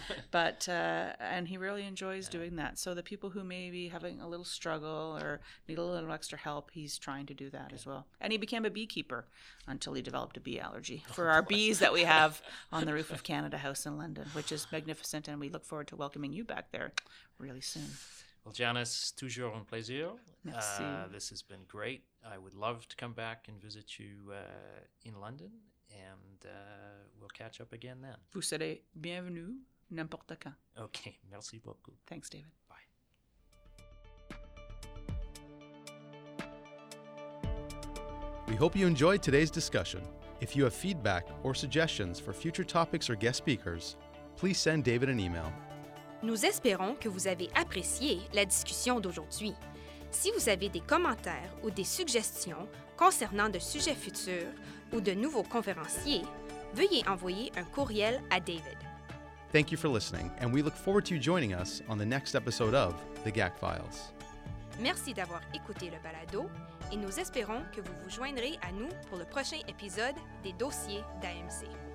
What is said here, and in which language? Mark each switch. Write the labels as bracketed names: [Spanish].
[English] But, and he really enjoys doing that. So the people who may be having a little struggle or need a little extra help, he's trying to do that as well. And he became a beekeeper until he developed a bee allergy for our bees that we have on the roof of Canada House in London, which is magnificent. And we look forward to welcoming you back there really soon. [French] Well, Janice, toujours un plaisir. Merci. [English] This has been great. I would love to come back and visit you in London, and we'll catch up again then. [French] Vous serez bienvenue n'importe quand. Okay, merci beaucoup. [English] Thanks, David. Bye. We hope you enjoyed today's discussion. If you have feedback or suggestions for future topics or guest speakers, please send David an email. [French] Nous espérons que vous avez apprécié la discussion d'aujourd'hui. Si vous avez des commentaires ou des suggestions concernant de sujets futurs ou de nouveaux conférenciers, veuillez envoyer un courriel à David. [English] Thank you for listening, and we look forward to you joining us on the next episode of The GAC Files. [French] Merci d'avoir écouté le balado, et nous espérons que vous vous joindrez à nous pour le prochain épisode des dossiers d'AMC.